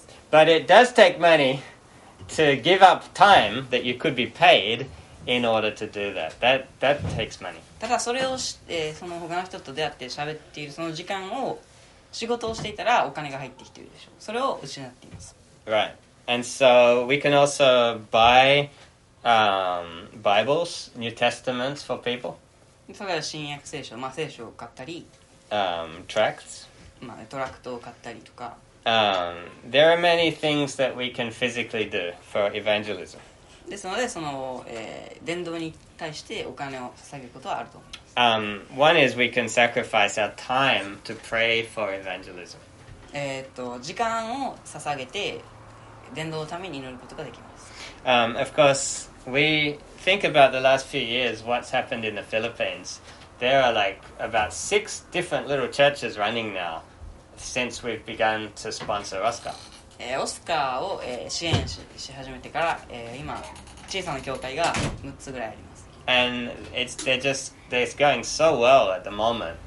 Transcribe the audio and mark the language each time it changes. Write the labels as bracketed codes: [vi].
[en] But it does take money to give up time that you could be paid in order to do that. That takes money. [ja] ただそれを、その他の人と出会って喋っているその時間を仕事をしていたらお金が入ってきているでしょう。それを失っています。 [en] Right. And so we can also buy Bibles, New Testaments for people. [ja] それは新約聖書、まあ、聖書を買ったり、 [en] Tracts. [ja] まあ、トラクトを買ったりとか。 [en] There are many things that we can physically do for evangelism. [ja] ですので、その、伝道に対してお金を捧げることはあると思います。 [en] One is we can sacrifice our time to pray for evangelism. [ja] 時間を捧げて伝道のために祈ることができます。 [en] Of course, we think about the last few years, what's happened in the Philippines. There are like about 6 different little churches running now since we've begun to sponsor Oscar. [ja] Oscar を支援し始めてから、今小さな教会が6つぐらいあります。 [en] And they're going so well at the moment.